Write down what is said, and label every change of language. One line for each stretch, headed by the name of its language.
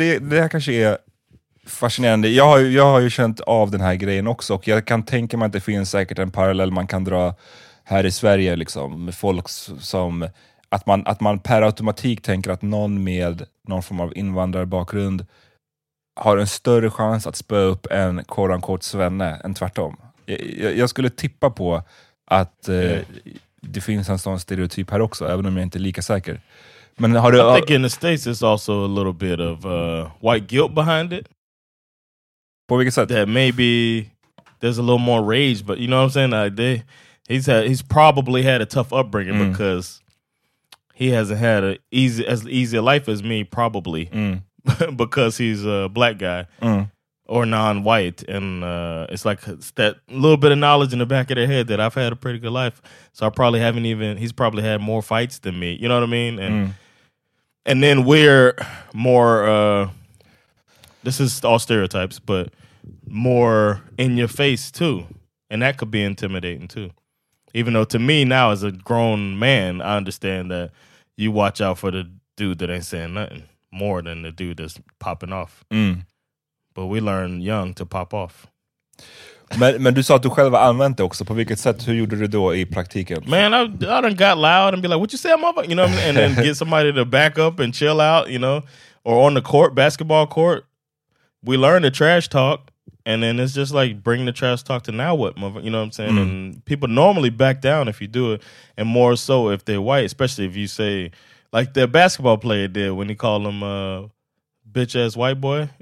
Swedish: Det här kanske är fascinerande. Jag har ju känt av den här grejen också, och jag kan tänka mig att det finns säkert en parallell man kan dra här i Sverige liksom, med folk som att man per automatik tänker att någon med någon form av invandrarbakgrund har en större chans att spö upp en
English: quote-unquote
Swedish: svenne än tvärtom. Jag skulle tippa på att det finns en sån stereotyp här också, även om jag inte är lika säker. Men har du,
English: I think in the States it's also a little bit of white guilt behind it.
Swedish: På vilket sätt?
English: That maybe there's a little more rage, but you know what I'm saying? Like he's probably had a tough upbringing because he hasn't had as easy a life as me, probably, because he's a black guy or non-white. And it's like it's that little bit of knowledge in the back of their head that I've had a pretty good life. So I probably haven't even, he's probably had more fights than me. You know what I mean? And then we're more, this is all stereotypes, but more in your face too. And that could be intimidating too. Even though to me now as a grown man, I understand that you watch out for the dude that ain't saying nothing more than the dude that's popping off. Mm. But we learn young to pop off.
Swedish: Men du sa att du själv har använt det också. På vilket sätt, hur gjorde du det då i praktiken?
English: Man, I done got loud and be like, what you say, mother? You know what I mean? And then get somebody to back up and chill out, you know? Or on the court, basketball court, we learn the trash talk. And then it's just like bring the trash talk to now what, mother? You know what I'm saying? Mm. And people normally back down if you do it. And more so if they're white, especially if you say, like the basketball player did when he called him a bitch-ass white boy.